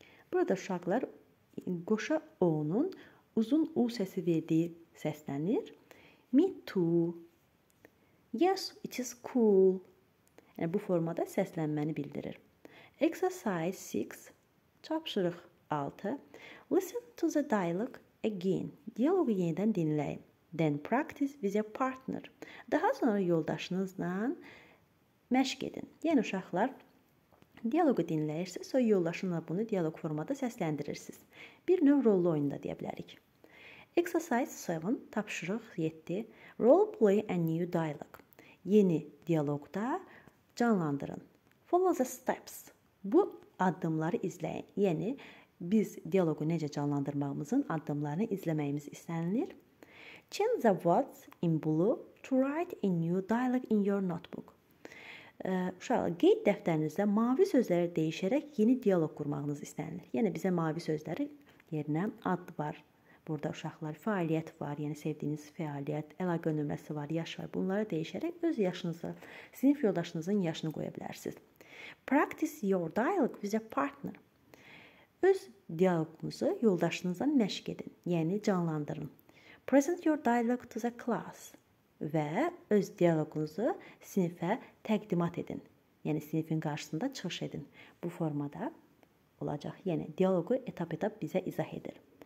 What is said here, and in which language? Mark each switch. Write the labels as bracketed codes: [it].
[az] Burada uşaqlar qoşa O-nun uzun U səsi verdiyi səslənir. [en] Me too. Yes, it is cool. [az] Yəni, bu formada səslənməni bildirir. [en] Exercise 6, [az] tapşırıq 6. [en] Listen to the dialogue again. [tr] Diyalogu yeniden dinleyin. [en] Then practice with your partner. [az] Daha sonra yoldaşınızla məşq edin. Yəni uşaqlar diyalogu dinləyirsə, sonra yoldaşınla bunu diyalog formada səsləndirirsiniz. Bir növ rollu oyunda deyə bilərik. [en] Exercise 7, [az] tapşırıq 7. [en] Role play a new dialogue. [az] Yeni diyalogda canlandırın. [en] Follow the steps. [az] Bu addımları izləyin. Yəni, biz diyalogu necə canlandırmağımızın addımlarını izləməyimiz istənilir. [en] Change the words in blue to write a new dialogue in your notebook. [az] Uşaqlar, qeyd dəftərinizdə mavi sözləri dəyişərək yeni diyalog qurmağınız istənilir. Yəni, bizə mavi sözləri yerinə ad var. Burada uşaqlar fəaliyyət var, yəni sevdiyiniz fəaliyyət, əlaqə nömrəsi var, yaş var. Bunları dəyişərək öz yaşınıza, sinif yoldaşınızın yaşını qoya bilərsiniz. [en] Practice your dialogue with a partner. [az] Öz diyalogunuzu yoldaşınızdan məşq edin, yəni canlandırın. [en] Present your dialogue to the class [az] və öz diyalogunuzu sinifə təqdimat edin, yəni sinifin qarşısında çıxış edin. Bu formada olacaq, yəni diyalogu etap-etap bizə izah edir.